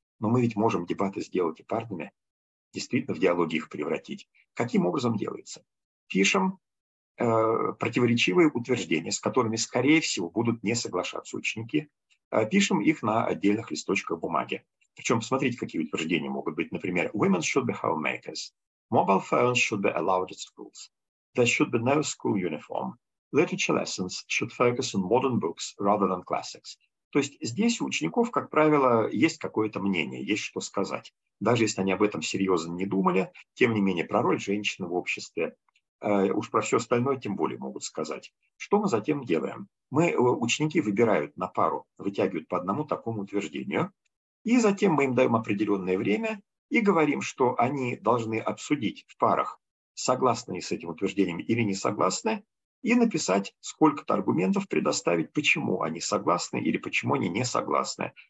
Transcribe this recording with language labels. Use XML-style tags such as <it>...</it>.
<ru>Но мы ведь можем дебаты сделать и парными, действительно в диалоги их превратить. Каким образом делается? Пишем противоречивые утверждения, с которыми, скорее всего, будут не соглашаться ученики, пишем их на отдельных листочках бумаги. Причем, посмотрите, какие утверждения могут быть. Например,</ru> <en>women should be homemakers, mobile phones should be allowed at schools, there should be no school uniform, literature lessons should focus on modern books rather than classics.</en> <ru>То есть здесь у учеников, как правило, есть какое-то мнение, есть что сказать. Даже если они об этом серьезно не думали, тем не менее, про роль женщины в обществе, уж про все остальное тем более могут сказать. Что мы затем делаем? Мы, ученики выбирают на пару, вытягивают по одному такому утверждению, и затем мы им даем определенное время и говорим, что они должны обсудить в парах, согласны ли с этим утверждением или не согласны, и написать, сколько-то аргументов предоставить, почему они согласны или почему они не согласны.</ru>